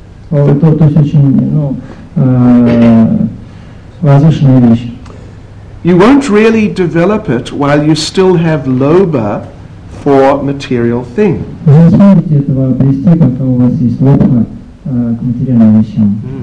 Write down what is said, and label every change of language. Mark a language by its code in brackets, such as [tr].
[ru] Вот это то есть очень, ну, возвышенная вещь. [en] You won't really develop it while you still have lobha for material things. [ru] Вы не сможете этого обрести, когда у вас есть лобха к материальным вещам.